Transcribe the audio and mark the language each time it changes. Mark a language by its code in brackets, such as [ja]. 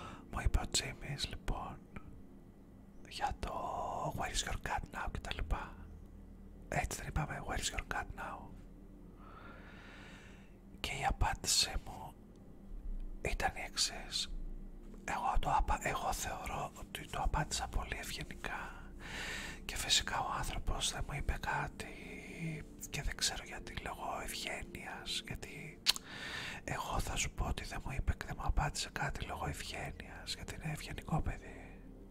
[el] Μου είπε ο Τζίμις, λοιπόν, για το [en] Where is your cat now [el] και τα λοιπά. Έτσι δεν είπαμε, [en] Where is your cat now? [el] Και η απάντησή μου ήταν η εξής. Εγώ θεωρώ ότι το απάντησα πολύ ευγενικά και φυσικά ο άνθρωπος δεν μου είπε κάτι και δεν ξέρω γιατί λόγω ευγένειας, γιατί εγώ θα σου πω ότι δεν μου είπε και δεν μου απάντησε κάτι λόγω ευγένειας, γιατί είναι ευγενικό παιδί.